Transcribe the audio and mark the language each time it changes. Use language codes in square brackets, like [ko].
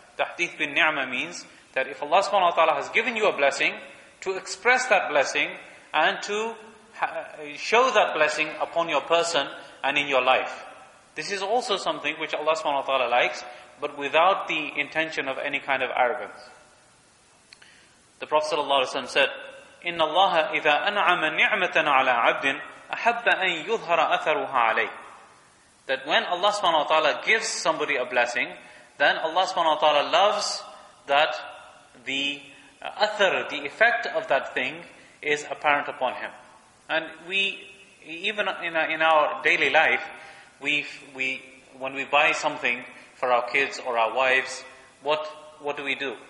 [en] Tahdith bin ni'mah means that if Allah subhanahu wa ta'ala has given you a blessing, to express that blessing and to show that blessing upon your person and in your life. This is also something which Allah subhanahu wa ta'ala likes, but without the intention of any kind of arrogance. The Prophet sallallahu alaihi wasallam said, [ar] إِنَّ اللَّهَ إِذَا أَنْعَمَ نِعْمَةً عَلَىٰ عَبْدٍ أَحَبَّ أَنْ يُظْهَرَ أَثَرُهَا عَلَيْهِ. [en] That when Allah subhanahu wa ta'ala gives somebody a blessing, then Allah subhanahu wa ta'ala loves that the athar, the effect of that thing, is apparent upon him. And we, even in our daily life, when we buy something for our kids or our wives, what do we do?